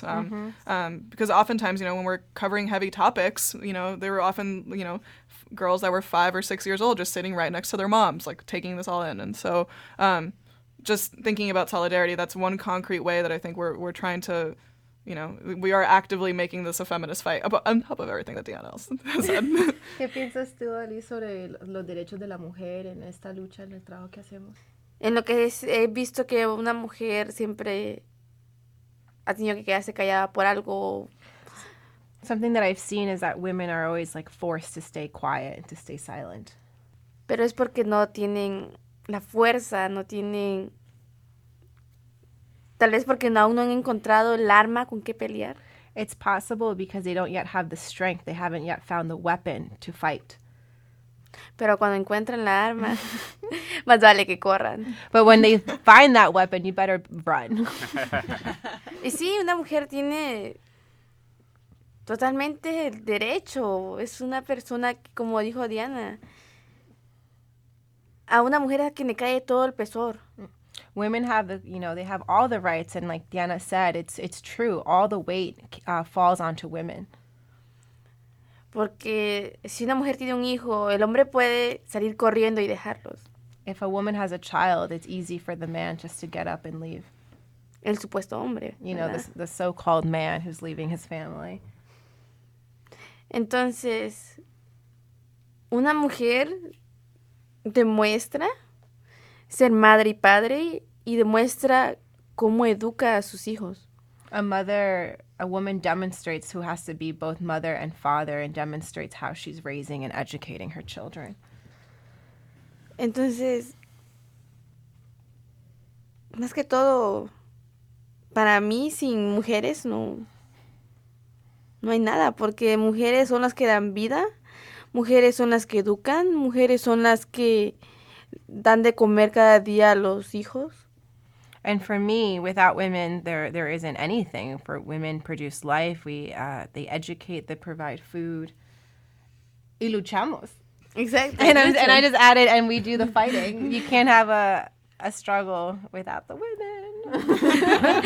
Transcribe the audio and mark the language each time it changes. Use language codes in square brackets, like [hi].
[en] Because oftentimes, you know, when we're covering heavy topics, you know, there were often, you know, girls that were 5 or 6 years old just sitting right next to their moms, like taking this all in. And so just thinking about solidarity, that's one concrete way that I think we're trying to, you know, we are actively making this a feminist fight on top of everything that Diana else said. [es] ¿Qué piensas tú, Ali, sobre los derechos de la mujer en esta lucha, en el trabajo que hacemos? En lo que he visto que una mujer siempre ha tenido que quedarse callada por algo. [en] Something that I've seen is that women are always like forced to stay quiet, to stay silent. [es] Pero es porque no tienen la fuerza, no tienen. Tal vez porque aún no han encontrado el arma con que pelear. [en] It's possible because they don't yet have the strength, they haven't yet found the weapon to fight. [es] Pero cuando encuentren la arma, más vale que corran. [en] But when they find that weapon, you better run. [es] Y sí, una mujer tiene totalmente el derecho. Es una persona, como dijo Diana, a una mujer a quien le cae todo el pesor. [en] Women have, you know, they have all the rights. And like Diana said, it's true. All the weight falls onto women. [es] Porque si una mujer tiene un hijo, el hombre puede salir corriendo y dejarlos. [en] If a woman has a child, it's easy for the man just to get up and leave. [es] El supuesto hombre. [en] You [es] ¿verdad? [en] Know, the so-called man who's leaving his family. [es] Entonces, una mujer demuestra ser madre y padre y demuestra cómo educa a sus hijos. [en] A woman demonstrates who has to be both mother and father and demonstrates how she's raising and educating her children. [es] Entonces, más que todo, para mí, sin mujeres, no hay nada, porque mujeres son las que dan vida, mujeres son las que educan, mujeres son las que dan de comer cada día a los hijos. [en] And for me, without women, there isn't anything. For women produce life, they educate, they provide food. [es] Y luchamos. [en] Exactly. And I just added, and we do the fighting. You can't have a struggle without the women.